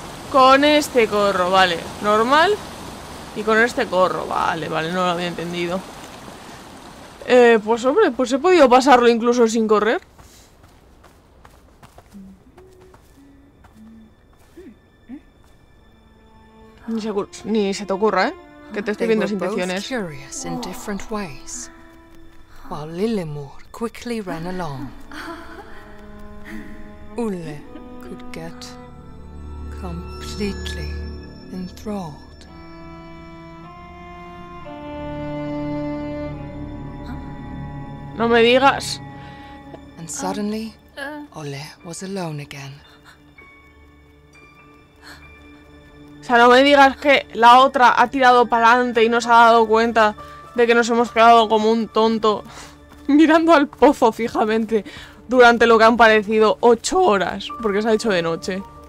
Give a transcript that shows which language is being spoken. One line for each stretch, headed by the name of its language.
Spanish: Con este corro, vale. Normal. Y con este corro, vale, vale. No lo había entendido. Pues hombre, pues he podido pasarlo incluso sin correr. Ni se te ocurra, ¿eh? Que te estoy viendo sin intenciones.
English: Curious in different ways. While Lilimor quickly ran along, Ulle could get completely enthralled.
Spanish: No me digas.
English: And suddenly, Ulle was alone again.
Spanish: O sea, no me digas que la otra ha tirado para adelante y no se ha dado cuenta de que nos hemos quedado como un tonto mirando al pozo fijamente durante lo que han parecido 8 horas, porque se ha hecho de noche.